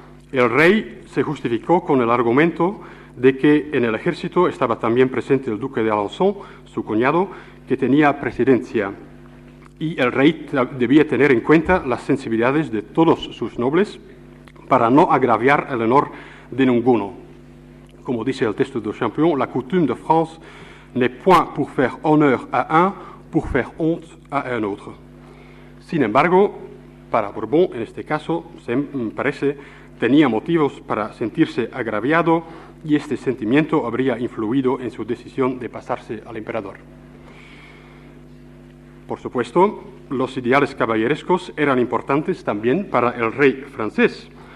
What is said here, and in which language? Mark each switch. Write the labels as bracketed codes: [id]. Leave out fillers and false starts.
[es] El rey se justificó con el argumento de que en el ejército estaba también presente el duque de Alençon, su cuñado, que tenía precedencia, y el rey debía tener en cuenta las sensibilidades de todos sus nobles para no agraviar el honor de ninguno. Como dice el texto de Champion, [fr] la coutume de France n'est point pour faire honneur à un, pour faire honte à un autre. [es] Sin embargo, para Bourbon, en este caso, se parece, tenía motivos para sentirse agraviado, y este sentimiento habría influido en su decisión de pasarse al emperador. Por supuesto, los ideales caballerescos eran importantes también para el rey francés.